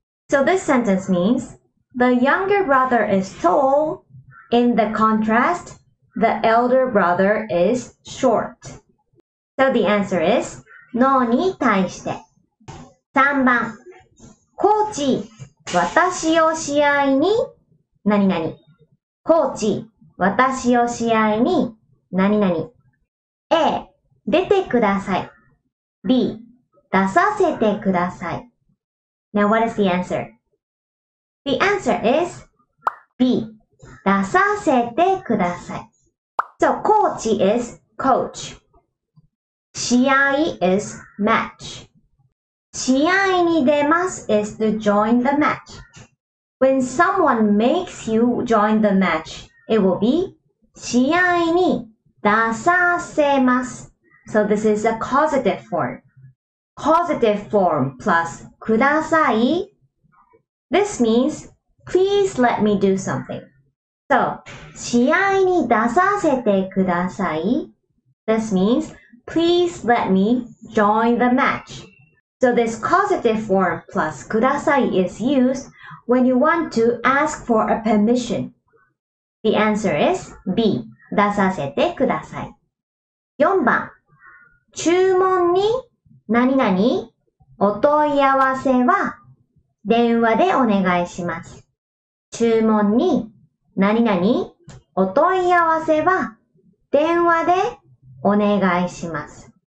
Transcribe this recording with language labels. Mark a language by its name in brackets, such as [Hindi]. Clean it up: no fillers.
[English] So this sentence means, the younger brother is tall. In the contrast, the elder brother is short. So the answer is のに対して. [Japanese] 3番 コーチ、私を試合に 何々 コーチ、私を試合に、何々。 [English] A. [Japanese] 出てください。 [English] B. [Japanese] 出させてください。 [English] Now what is the answer? The answer is B. [Japanese] 出させてください。 [English] So, コーチ is coach. 試合 is match. [Japanese] 試合に出ます [English] is to join the match. When someone makes you join the match, it will be [Japanese] 試合に出させます. [English] So this is a causative form. Causative form plus ください. This means, please let me do something. [Japanese] So, 試合に出させてください. [English] This means, please let me join the match. So this causative form plus ください is used when you want to ask for a permission. The answer is B. 出させてください. [Japanese] 4番 注文に何々お問い合わせは電話でお願いします。注文に何々お問い合わせは電話でお願いします。